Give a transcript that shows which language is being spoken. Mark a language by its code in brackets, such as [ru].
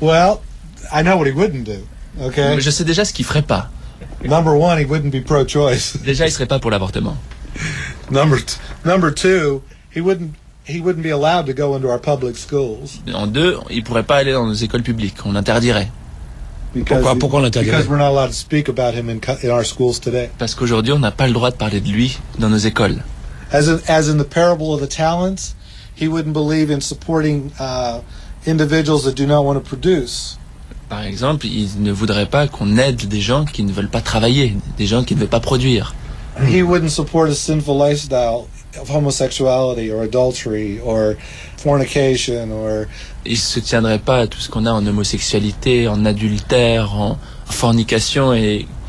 [en] Well, I know what he wouldn't do. Okay. [fr] Mais je sais déjà ce qu'il ferait pas. [en] Number one, he wouldn't be pro-choice. [fr] Déjà, il serait pas pour l'avortement. [en] Number two, he wouldn't be allowed to go into our public schools. [fr] En deux, il pourrait pas aller dans nos écoles publiques. On l'interdirait. Pourquoi on l'interdirait? [en] Because we're not allowed to speak about him in our schools today. [fr] Parce qu'aujourd'hui, on n'a pas le droit de parler de lui dans nos écoles. [en] As in the parable of the talents, he wouldn't believe in supporting individuals that do not want to produce. [fr] Par exemple, il ne voudrait pas qu'on aide des gens qui ne veulent pas travailler, des gens qui ne veulent pas produire. [en] He wouldn't support a sinful lifestyle of homosexuality or adultery or fornication or. [fr] Il ne soutiendrait pas tout ce qu'on a en homosexualité, en adultère, en fornication et